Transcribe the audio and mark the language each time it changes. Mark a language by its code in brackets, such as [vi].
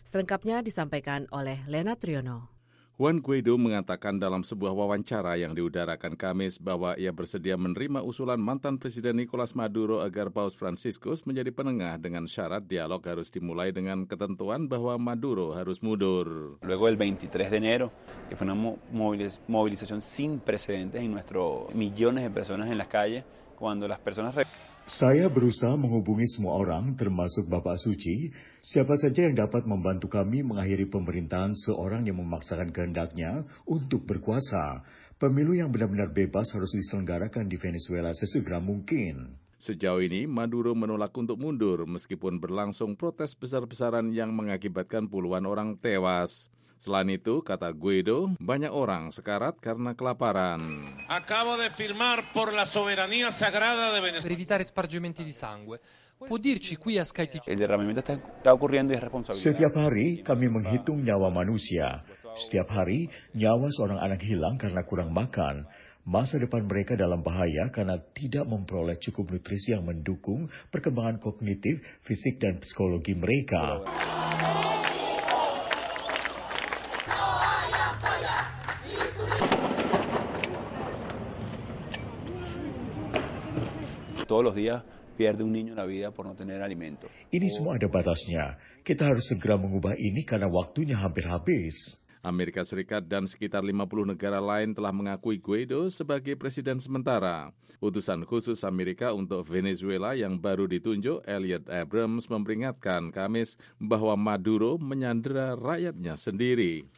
[id] Selengkapnya disampaikan oleh Lena Triyono. Juan Guaido mengatakan dalam sebuah wawancara yang diudarakan Kamis bahwa ia bersedia menerima usulan mantan Presiden Nicolas Maduro agar Paus Franciscus menjadi penengah dengan syarat dialog harus dimulai dengan ketentuan bahwa Maduro harus mundur. [es] Luego el 23 de enero, que fue una movilización sin precedentes en nuestro millones de personas en las calles, cuando las personas [id] Saya berusaha menghubungi semua orang, termasuk Bapak Suci, siapa saja yang dapat membantu kami mengakhiri pemerintahan seorang yang memaksakan kehendaknya untuk berkuasa. Pemilu yang benar-benar bebas harus diselenggarakan di Venezuela sesegera mungkin. Sejauh ini, Maduro menolak untuk mundur meskipun berlangsung protes besar-besaran yang mengakibatkan puluhan orang tewas. Selain itu, kata Guaido, banyak orang sekarat karena kelaparan. [es] Acabo de firmar por la soberanía sagrada de Venezuela. [it] Per evitare spargimenti di sangue. Può dirci qui a Sky TG. [es] El derramamiento está ocurriendo y es responsabilidad. [id] Setiap hari kami menghitung nyawa manusia. Setiap hari nyawa seorang anak hilang karena kurang makan. Masa depan mereka dalam bahaya karena tidak memperoleh cukup nutrisi yang mendukung perkembangan kognitif, fisik dan psikologi mereka. [es] Todos los días pierde un niño la vida por no tener alimento. [id] Ini semua ada batasnya. Kita harus segera mengubah ini karena waktunya hampir habis. Amerika Serikat dan sekitar 50 negara lain telah mengakui Guaido sebagai presiden sementara. Utusan khusus Amerika untuk Venezuela yang baru ditunjuk, Elliot Abrams, memperingatkan Kamis bahwa Maduro menyandera rakyatnya sendiri.